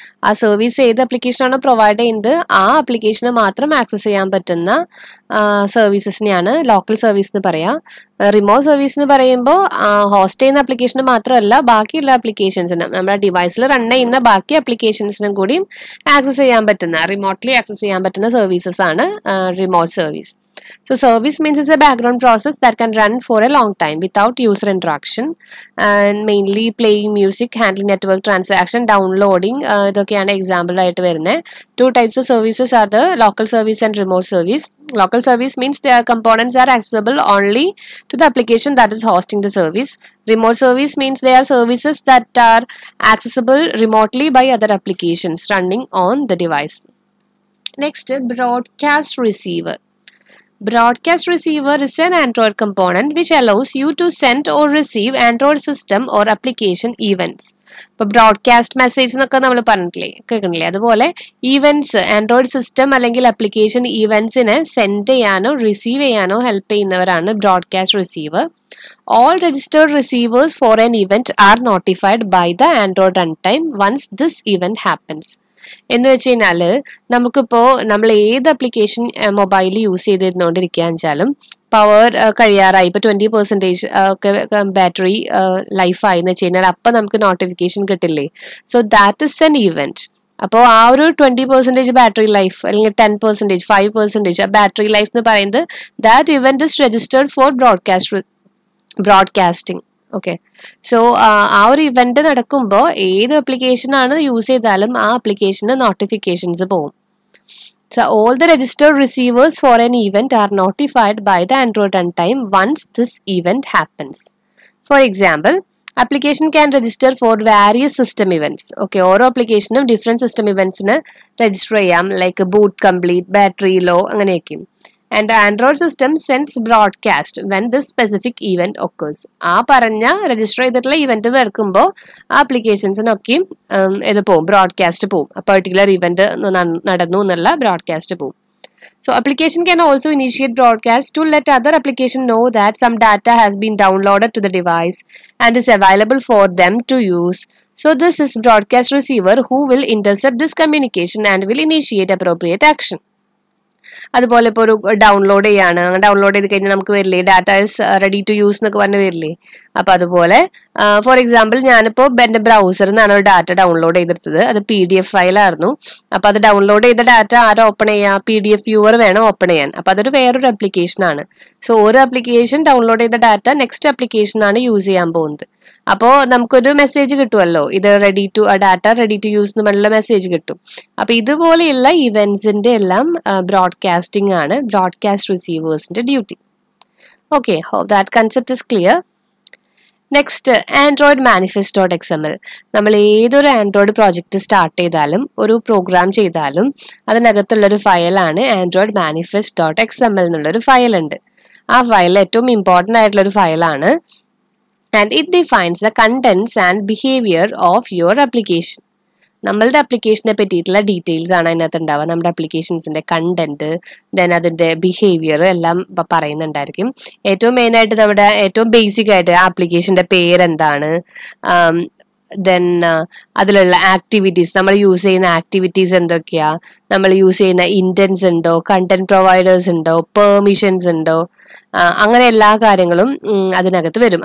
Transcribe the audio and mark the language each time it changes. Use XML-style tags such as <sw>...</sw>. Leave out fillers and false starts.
<ml>ആ സർവീസ് ഏത് അപ്ലിക്കേഷനാണോ പ്രൊവൈഡ് ചെയ്യുന്നത് ആ അപ്ലിക്കേഷന് മാത്രം ആക്സസ് ചെയ്യാൻ പറ്റുന്ന സർവീസസിനെയാണ് ലോക്കൽ സർവീസ് എന്ന് പറയാം. റിമോട്ട് സർവീസ് എന്ന് പറയുമ്പോൾ ഹോസ്റ്റ് ചെയ്യുന്ന അപ്ലിക്കേഷന് മാത്രമല്ല ബാക്കിയുള്ള അപ്ലിക്കേഷൻസിനും, നമ്മുടെ ഡിവൈസിൽ റൺ ചെയ്യുന്ന ബാക്കി അപ്ലിക്കേഷൻസിനും കൂടിയും ആക്സസ് ചെയ്യാൻ പറ്റുന്ന, റിമോട്ട്ലി ആക്സസ് ചെയ്യാൻ പറ്റുന്ന സർവീസസ് ആണ് remote service.</ml> <en>So service means is a background process that can run for a long time without user interaction and mainly playing music, handling network transaction, downloading.</en> <ml>ഇതൊക്കെയാണ് example ആയിട്ട് വരുന്നത്.</ml> <en>Two types of services are the local service and remote service. Local service means their components are accessible only to the application that is hosting the service. Remote service means they are services that are accessible remotely by other applications running on the device. Next, broadcast receiver. Broadcast receiver is an Android component which allows you to send or receive Android system or application events.</en> <ml>ഇപ്പൊ broadcast message എന്നൊക്കെ നമ്മൾ പറഞ്ഞിട്ടില്ലേ, കേൾക്കണില്ലേ, അതുപോലെ events Android system അല്ലെങ്കിൽ application ഈവെന്റ്സിനെ send ചെയ്യാനോ receive ചെയ്യാനോ help ചെയ്യുന്നവരാണ് broadcast receiver.</ml> <en>All registered receivers for an event are notified by the Android run time once this event happens.</en> <ml>എന്ന് വെച്ച് കഴിഞ്ഞാല് നമുക്കിപ്പോ നമ്മൾ ഏത് അപ്ലിക്കേഷൻ മൊബൈലിൽ യൂസ് ചെയ്തിരുന്നോണ്ടിരിക്കുകയെന്ന് വെച്ചാലും പവർ കഴിയാറായി, ഇപ്പൊ 20% ഒക്കെ ബാറ്ററി ലൈഫ് ആയി എന്ന് വെച്ച് കഴിഞ്ഞാൽ അപ്പൊ നമുക്ക് നോട്ടിഫിക്കേഷൻ കിട്ടില്ലേ.</ml> <en>So that is an event.</en> <ml>അപ്പോൾ ആ ഒരു 20% ബാറ്ററി ലൈഫ് അല്ലെങ്കിൽ 10%, 5% ആ ബാറ്ററി ലൈഫ് എന്ന് പറയുന്നത്</ml> <en>That event is registered for broadcasting.</en> <ml>Okay, so ആ ഒരു ഇവന്റ് നടക്കുമ്പോൾ ഏത് അപ്ലിക്കേഷൻ ആണ് യൂസ് ചെയ്താലും ആ അപ്ലിക്കേഷന് നോട്ടിഫിക്കേഷൻസ് പോകും.</ml> <en>So all the registered receivers for an event are notified by the Android runtime once this event happens. For example, application can register for various system events.</en> <ml>Okay, ഓരോ അപ്ലിക്കേഷനും</ml> <en>different system events</en> <ml>ന് register ചെയ്യാം,</ml> <en>like boot complete, battery low,</en> <ml>അങ്ങനെയൊക്കെ.</ml> <en>And the Android system sends broadcast when this specific event occurs.</en> <ml>ആ പറഞ്ഞ register ചെയ്തിട്ടുള്ള event വരുമ്പോൾ ആ അപ്ലിക്കേഷൻസിനൊക്കെ ഇത് പോവും, ബ്രോഡ്കാസ്റ്റ് പോവും, ആ പെർട്ടിക്കുലർ ഇവന്റ് നടന്നു എന്നുള്ള ബ്രോഡ്കാസ്റ്റ് പോവും.</ml> <en>So application can also initiate broadcast to let other application know that some data has been downloaded to the device and is available for them to use. So this is broadcast receiver who will intercept this communication and will initiate appropriate action.</en> <ml>അതുപോലെ ഇപ്പോൾ ഒരു download ചെയ്യാണ്, download ചെയ്ത് കഴിഞ്ഞാൽ നമുക്ക് വരില്ലേ</ml> <en>data is ready to use</en> <ml>എന്നൊക്കെ പറഞ്ഞ് വരില്ലേ. അപ്പൊ അതുപോലെ ഫോർ എക്സാമ്പിൾ ഞാനിപ്പോ എന്റെ ബ്രൗസറിൽ നിന്നാണ് ഒരു ഡാറ്റ ഡൗൺലോഡ് ചെയ്തെടുത്തത്, അത് PDF ഫയൽ ആയിരുന്നു. അപ്പൊ അത് ഡൗൺലോഡ് ചെയ്ത ഡാറ്റ ആരും ഓപ്പൺ ചെയ്യാം, PDF വ്യൂവർ വേണം ഓപ്പൺ ചെയ്യാൻ. അപ്പൊ അതൊരു വേറൊരു അപ്ലിക്കേഷൻ ആണ്. സോ ഓരോ അപ്ലിക്കേഷൻ ഡൗൺലോഡ് ചെയ്ത ഡാറ്റ നെക്സ്റ്റ് അപ്ലിക്കേഷൻ ആണ് യൂസ് ചെയ്യാൻ പോകുന്നത്. അപ്പോ നമുക്കൊരു മെസ്സേജ് കിട്ടുമല്ലോ, ഇത് ready to</ml> <en>data ready to use</en> <ml>എന്ന് പറഞ്ഞുള്ള മെസ്സേജ് കിട്ടും. അപ്പൊ ഇതുപോലെയുള്ള ഇവന്റ്സിന്റെ എല്ലാം ബ്രോഡ്കാസ്റ്റിംഗ് ആണ് broadcast റിസീവേഴ്സിന്റെ duty.</ml> <en>Okay, hope that concept is clear. Next Android മാനിഫെസ്റ്റോ.xml.</en> <ml>നമ്മൾ ഏതൊരു ആൻഡ്രോയിഡ് പ്രോജക്റ്റ് സ്റ്റാർട്ട് ചെയ്താലും ഒരു പ്രോഗ്രാം ചെയ്താലും അതിനകത്തുള്ളൊരു ഫയലാണ് ആൻഡ്രോയിഡ് മാനിഫെസ്റ്റോ.xml എന്നുള്ളൊരു ഫയൽ ഉണ്ട്. ആ ഫയൽ ഏറ്റവും ഇമ്പോർട്ടൻ്റ് ആയിട്ടുള്ളൊരു ഫയലാണ്.</ml> <en>And it defines the contents and behavior of your application.</en> <ml>നമ്മളുടെ അപ്ലിക്കേഷനെ പറ്റിയിട്ടുള്ള ഡീറ്റെയിൽസ് ആണ് അതിനകത്ത് ഉണ്ടാവുക. നമ്മുടെ അപ്ലിക്കേഷൻസിന്റെ കണ്ടന്റ്, ദെൻ അതിന്റെ ബിഹേവിയർ എല്ലാം പറയുന്നുണ്ടായിരിക്കും. ഏറ്റവും മെയിൻ ആയിട്ട് നമ്മുടെ ഏറ്റവും ബേസിക് ആയിട്ട് ആപ്ലിക്കേഷന്റെ പേരെന്താണ്, ദെൻ അതിലുള്ള ആക്ടിവിറ്റീസ്, നമ്മൾ യൂസ് ചെയ്യുന്ന ആക്ടിവിറ്റീസ് എന്തൊക്കെയാ, നമ്മൾ യൂസ് ചെയ്യുന്ന ഇന്റൻസ് ഉണ്ടോ, കണ്ടന്റ് പ്രൊവൈഡേഴ്സ് ഉണ്ടോ, പെർമിഷൻസ് ഉണ്ടോ, അങ്ങനെ എല്ലാ കാര്യങ്ങളും അതിനകത്ത് വരും.</ml>